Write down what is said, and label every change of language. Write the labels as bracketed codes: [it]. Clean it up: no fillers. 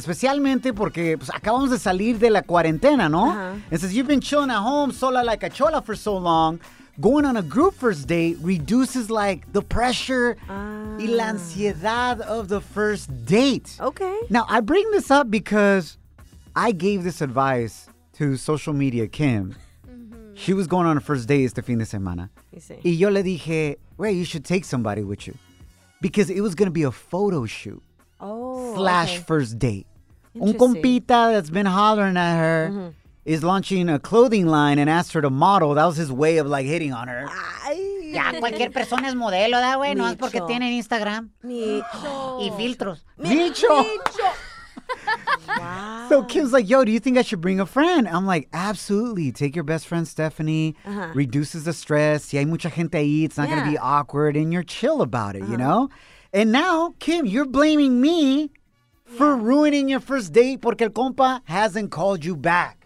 [es] Especialmente porque pues, acabamos de salir de la cuarentena, ¿no? Uh-huh. [en] And since you've been chilling at home sola like a chola for so long, going on a group first date reduces like the pressure [es] y la ansiedad [en] of the first date. Okay. Now, I bring this up because I gave this advice to social media Kim. She was going on her first date [es] este fin de semana. Y yo le dije, [en] wait, you should take somebody with you. Because it was going to be a photo shoot. Oh, slash okay. First date. [es] Un compita [en] that's been hollering at her is launching a clothing line and asked her to model. That was his way of like hitting on her. [es] Ya, cualquier persona es modelo, da güey. No es porque tienen Instagram. Micho. Y filtros. Micho. [en] Wow. So Kim's like, yo, do you think I should bring a friend? I'm like, absolutely. Take your best friend, Stephanie. Uh-huh. Reduces the stress. [es] Si hay mucha gente ahí, [en] it's not going to be awkward. And you're chill about it, you know? And now, Kim, you're blaming me for ruining your first date [es] porque el compa [en] hasn't called you back.